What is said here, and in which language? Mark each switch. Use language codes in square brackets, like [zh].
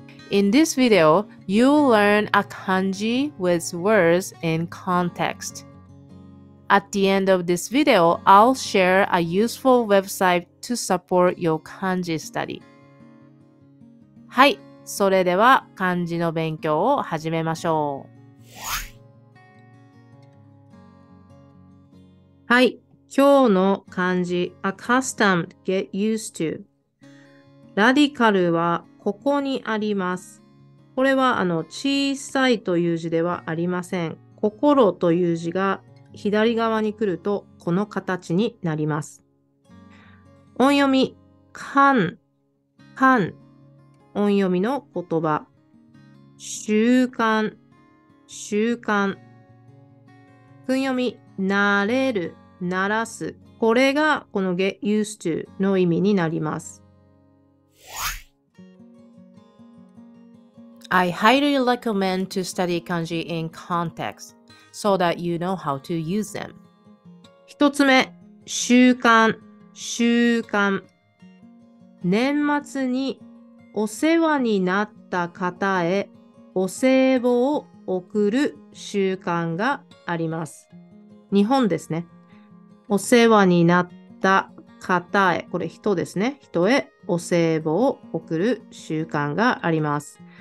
[en] In this video, you'll learn a kanji with words in context. At the end of this video, I'll share a useful website to support your kanji study. [ja] はい、それでは漢字の勉強を始めましょう。はい、今日の漢字、 [en] accustomed, get used to. [ja] ラディカルはここにあります。これは小さいという字ではありません。心という字が左側に来るとこの形になります。音読み、漢、漢、音読みの言葉。習慣、習慣。訓読み、慣れる。鳴らす。これがこの get used to の意味になります。 [en] I highly recommend to study kanji in context so that you know how to use them. [ja] 一つ目、習慣、習慣。年末にお世話になった方へお歳暮を送る習慣があります。日本ですね。お世話になった方へ、これ人ですね、人へお歳暮を送る習慣があります。